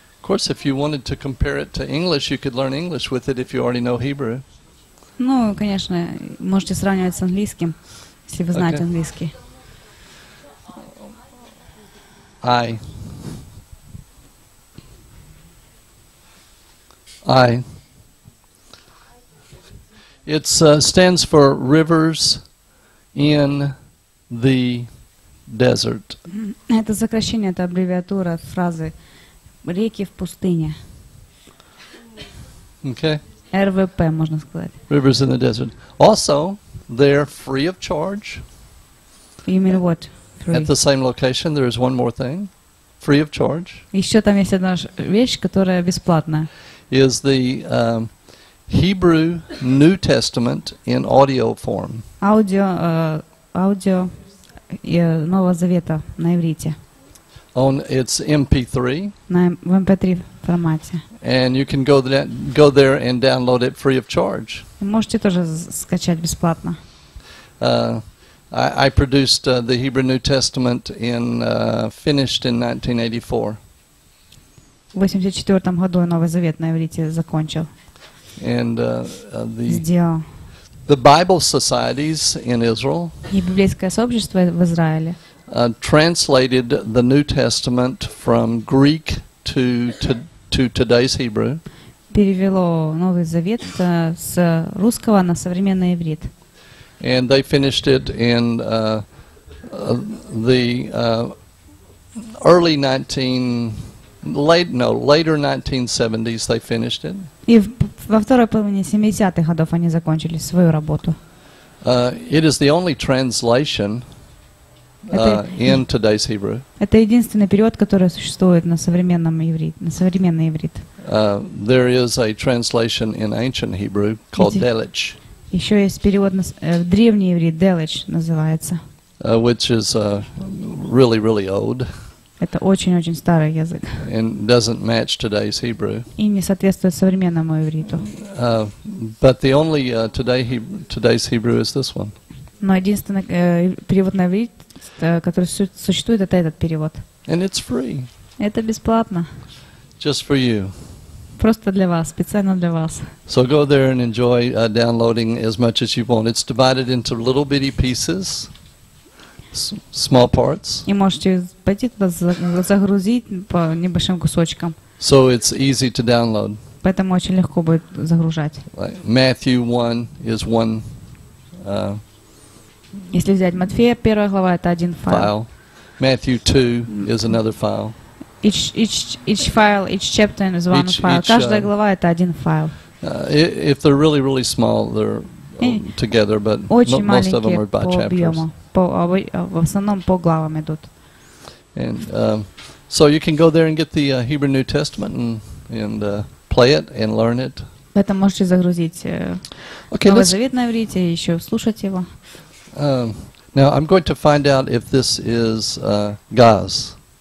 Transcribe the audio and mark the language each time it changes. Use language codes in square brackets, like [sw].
[en] Of course, if you wanted to compare it to English, you could learn English with it if you already know Hebrew. [ru] Ну, конечно, можете сравнивать с английским, если вы знаете английский. [en] I. It stands for rivers in the desert. [ru] Это сокращение, это аббревиатура от фразы «реки в пустыне». [en] Okay. [ru] РВП, можно сказать. [en] Rivers in the desert. Also, they're free of charge. You mean what? Free? At the same location, there is one more thing. Free of charge. [ru] Еще там есть одна вещь, которая бесплатная. [en] Is the Hebrew New Testament in audio form. [ru] Аудио Нового Завета на иврите. [en] On its MP3. [ru] На MP3 формате. [en] And you can go there and download it free of charge. [ru] Можете тоже скачать бесплатно. [en] I produced the Hebrew New Testament finished in 1984. [ru] В 84 году Новый Завет на иврите закончил. [en] And [ru] сделал. [en] The Bible societies in Israel. [ru] И библейское сообщество в Израиле. [en] Translated the New Testament from Greek to today's Hebrew. [ru] Перевело Новый Завет с русского на современный иврит. [en] And they finished it in later 1970s they finished it. [ru] И во второй половине 70-х годов они закончили свою работу. [en] It is the only translation in today's Hebrew. [ru] Это единственный перевод, который существует на современном иврите, на современный иврит. [en] There is a translation in ancient Hebrew called Delitzsch. [ru] Еще есть перевод в древний иврит, Делич называется. [en] Which is really, really old. [ru] Это очень-очень старый язык. [en] And doesn't match today's Hebrew. [ru] И не соответствует современному ивриту. [en] But the only today's Hebrew is this one. [ru] Но единственный перевод на иврит, который существует, это этот перевод. [en] And it's free. [ru] Это бесплатно. [en] Just for you. [ru] Просто для вас, специально для вас. [en] So go there and enjoy downloading as much as you want. It's divided into little bitty pieces, small parts. [ru] И можете пойти туда загрузить по небольшим кусочкам. [en] So it's easy to download. [ru] Поэтому очень легко будет загружать. [en] Like Matthew 1 is one. [ru] Если взять Матфея, первая глава, это один файл. [en] Matthew 2 is another file. Each file, each chapter is one file. [ru] Каждая глава — это один файл. [en] If they're really, really small, they're together, but most of them are by chapters. [ru] Очень маленькие по объему. В основном по главам идут. [en] And so you can go there and get the Hebrew New Testament and play it and learn it. [ru] Это можете загрузить Новый Завет на иврите и еще слушать его. [en] Now I'm going to find out if this is Gaz.